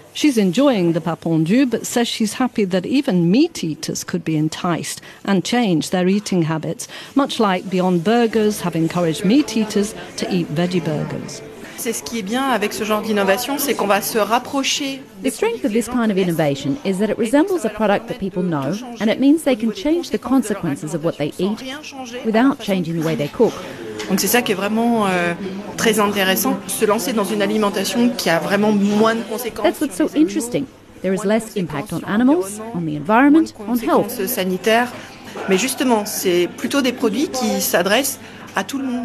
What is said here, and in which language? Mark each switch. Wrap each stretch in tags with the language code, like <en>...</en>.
<en>She's enjoying the Papondu, but says she's happy that even meat eaters could be enticed and change their eating habits, much like Beyond Burgers have encouraged meat eaters to eat veggie burgers. The strength of this kind of innovation is that it resembles a product that people know, and it means they can change the consequences of what they eat without changing the way they cook.</en> <fr>Donc c'est ça qui est vraiment très intéressant, se lancer dans une alimentation qui a vraiment moins de conséquences.</fr> <en>That's what's so interesting. There is less impact on animals, on the environment, on health.</en> <fr>Sanitaire. Mais justement, c'est plutôt des produits qui s'adressent à tout le monde.</fr>